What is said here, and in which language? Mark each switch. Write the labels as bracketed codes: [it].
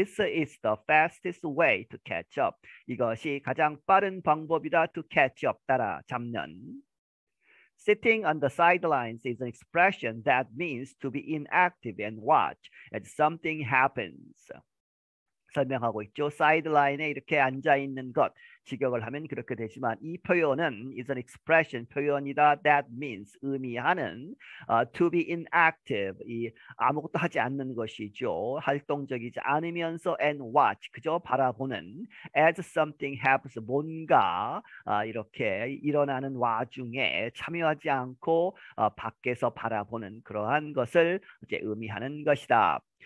[en] This is the fastest way to catch up. [ko] 이것이 가장 빠른 방법이다. [en] To catch up, 따라잡는. Sitting on the sidelines is an expression that means to be inactive and watch as something happens. [ko] 설명하고 있죠. 사이드라인에 이렇게 앉아 있는 것. 직역을 하면 그렇게 되지만 이 표현은 [en] is an expression [ko] 표현이다 [en] that means [ko] 의미하는 [en] to be inactive [ko] 이 아무것도 하지 않는 것이죠 활동적이지 않으면서 [en] and watch [ko] 그저 바라보는 [en] as something happens [ko] 뭔가 이렇게 일어나는 와중에 참여하지 않고 밖에서 바라보는 그러한 것을 이제 의미하는 것이다.